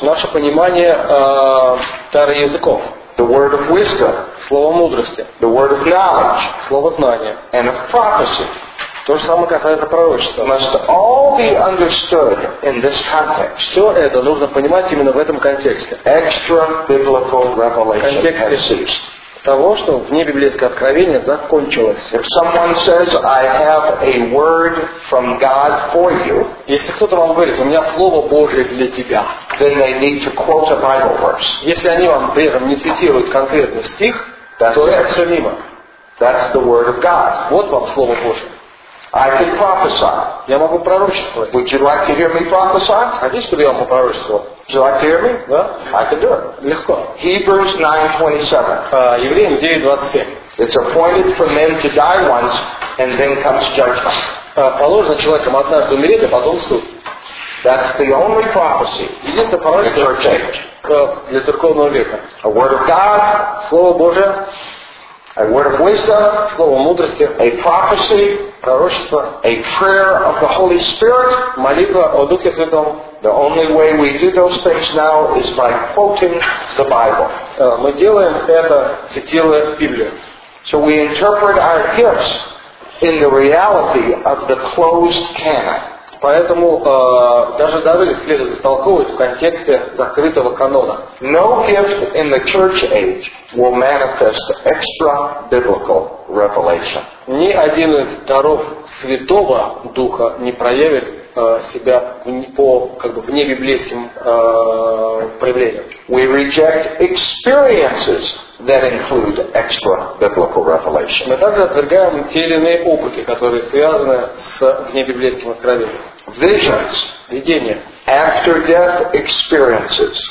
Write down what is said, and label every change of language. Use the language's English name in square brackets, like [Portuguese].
[Russian] Наше понимание дара языков. [English] The word of wisdom. [Russian] Слово мудрости. [English] The word of knowledge. [Russian] Слово знания. [English] And of prophecy. [Russian] То же самое касается пророчества. [English] Must all be understood in this context. [Russian] Все это нужно понимать именно в этом контексте. [English] Extra biblical revelation has ceased. [Russian] Того, что внебиблейское откровение закончилось. [English] If someone says, I have a word from God for you, [Russian] если кто-то вам говорит, у меня слово Божие для тебя, [English] then they need to quote a Bible verse. [Russian] Если они вам при этом не цитируют конкретный стих, [English] that's [Russian] то это все мимо. [English] That's the word of God. [Russian] Вот вам слово Божие. [English] I can prophesy. [Russian] Я могу пророчествовать. [English] Would you like to hear me prophesy? [Russian] Хотите, чтобы я вам пророчествовал? [English] Would you like to hear me? [Russian] Да. [English] I can do it. [Russian] Легко. [English] Hebrews 9:27. [Russian] Евреям 9:27. [English] It's appointed for men to die once, and then comes judgment. [Russian] Положено человеком однажды умереть, а потом суд. [English] That's the only prophecy. [Russian] Единственное пророчество для церковного века. [English] A word of God. [Russian] Слово Божие. [English] A word of wisdom, [Russian] слово мудрости, [English] a prophecy, [Russian] пророчество, [English] a prayer of the Holy Spirit, [Russian] молитва о Духе Святом. [English] The only way we do those things now is by quoting the Bible. [Russian] Мы делаем это, цитируя Библию. [English] So we interpret our gifts in the reality of the closed canon. [Russian] Поэтому даже Давид следует истолковывать в контексте закрытого канона. [English] No gift in the church age will manifest extra biblical revelation. [Russian] Ни один из даров Святого Духа не проявит себя по как бы вне библейским проявлениям. [English] We reject experiences that include extra biblical revelation. [Russian] Мы также отвергаем те или иные опыты, которые связаны с вне библейским откровением. [English] Visions, [Russian] видения, [English] after death experiences,